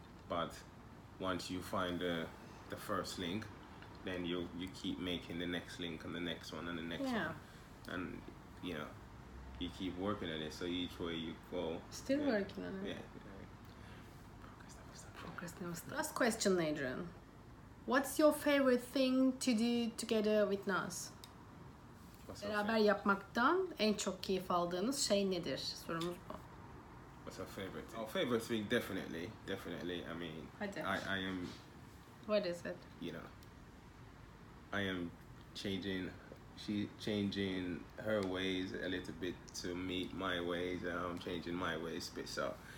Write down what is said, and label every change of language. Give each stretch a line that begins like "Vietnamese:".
English: But once you find the first link, then you keep making the next link and the next one and the next yeah. one. And you know, you keep working on it, so each way you go. Still yeah, working on yeah, it. Yeah. Progress never stops. Last question, Adrian. What's your favorite thing to do together with Nas?
Turkish: Beraber yapmaktan en çok keyif aldığınız şey nedir? Sorumuz bu.
English: What's our favorite thing? Our favorite thing, definitely. I mean, I am... What is it? You know, I am changing... She's changing her ways a little bit to meet my ways, and I'm changing my ways a bit, so...